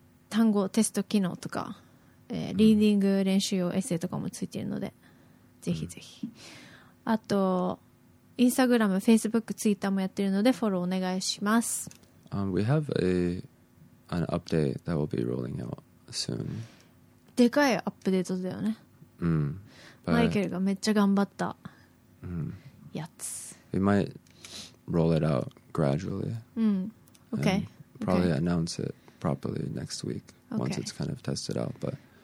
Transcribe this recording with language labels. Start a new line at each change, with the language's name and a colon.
Japanese: 単語テスト機能とか、リーディング練習用エッセイとかもついているので、ぜひぜひ。あとインスタグラム、フェイスブック、ツイッターもやっているのでフォローお願いします。
English: We have an update that will be rolling out soon.
Japanese: でかいアップデートだよね、マイケルがめっちゃ頑張ったやつ。
English: We mightroll it out gradually. Okay. And probably okay. announce it properly next week once it's kind of tested out. But